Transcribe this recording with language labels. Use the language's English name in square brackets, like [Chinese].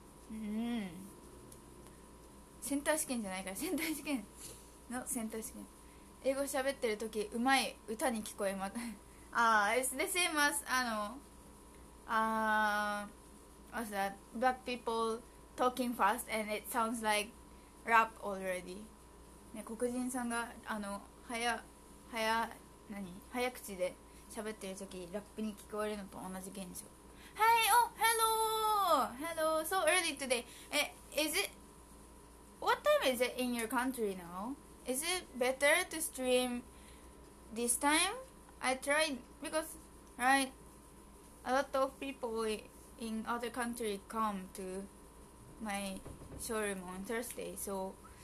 [Japanese] Hmm. Center 試験じゃないから center 試験 No, center 試験英語喋ってる時うまい歌に聞こえます。 [English] Ah, it's the same as, what's that? Black people talking fast and it sounds like rap already. [Japanese] ね、黒人さんが早口で喋ってる時ラップに聞こえるのと同じ現象。 [English] はい、お、hello, hello, so early today. Is it what time is it in your country now? Is it better to stream this time? I tried because right, a lot of people in other country come to my showroom on Thursday, so.